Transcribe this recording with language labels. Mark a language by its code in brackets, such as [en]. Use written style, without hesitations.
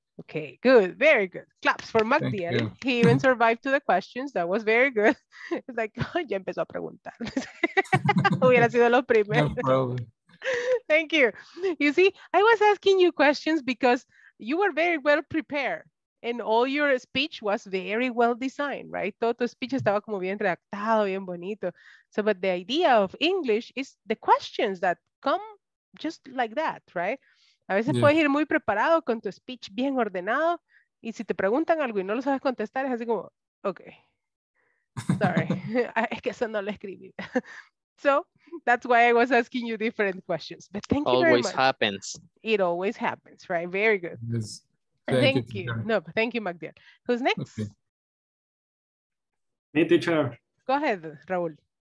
[en] Okay, good, very good. Claps for Magdiel. He even survived to the questions. That was very good. It's like, oh, [es] ya empezó a preguntar. Hubiera sido lo primero. [en] No problem. Thank you. You see, I was asking you questions because you were very well prepared. And all your speech was very well designed, right? [es] Todo tu speech estaba como bien redactado, bien bonito. [en] So, but the idea of English is the questions that come just like that, right? [es] A veces puedes ir muy preparado con tu speech bien ordenado. Y si te preguntan algo y no lo sabes contestar, es así como, [en] okay, sorry. [es] Es que eso no lo escribí. [en] So, that's why I was asking you different questions. But thank you always very much. Always happens. It always happens, right? Very good. Yes. Thank you. Magdiel. Who's next? Okay. Hey, teacher. Go ahead, Raul.